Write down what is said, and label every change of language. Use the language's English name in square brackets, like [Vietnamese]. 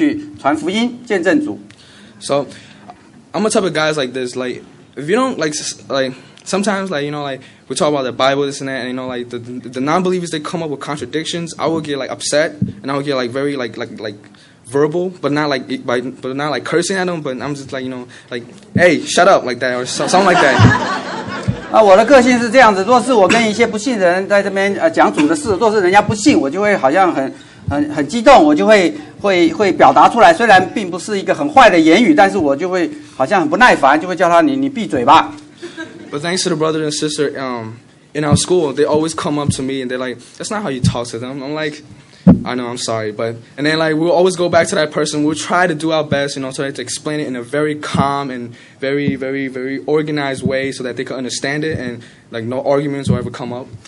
[Chinese] 所以那个，因为参加这个社团以后，我就很多的机会接触更多的弟兄姊妹们，他们也能够帮助我，因为在过去我一些跟人相处的问题，不但如此，我们实在是在这里一起可以去传福音、见证主。 [English] So, I'm a type of guys like this. Like, if you don't like, sometimes you know, like we talk about the Bible, this and that, and you know, like the non-believers, they come up with contradictions. I will get like upset, and I will get like very like verbal, but not like cursing at them. But I'm just like, you know, like, hey, shut up, like that or something like that. [Chinese] 我的个性是这样子，若是我跟一些不信的人在这边讲主的事，若是人家不信，我就会好像很激动，我就会表达出来。虽然并不是一个很坏的言语，但是我就会好像很不耐烦，就会叫他你闭嘴吧。 [English] But thanks to the brothers and sisters in our school, they always come up to me and they're like, that's not how you talk to them. I'm like, I know, I'm sorry. But and then like we'll always go back to that person. We'll try to do our best, you know, try to explain it in a very calm and very, very, very organized way so that they can understand it and like no arguments will ever come up.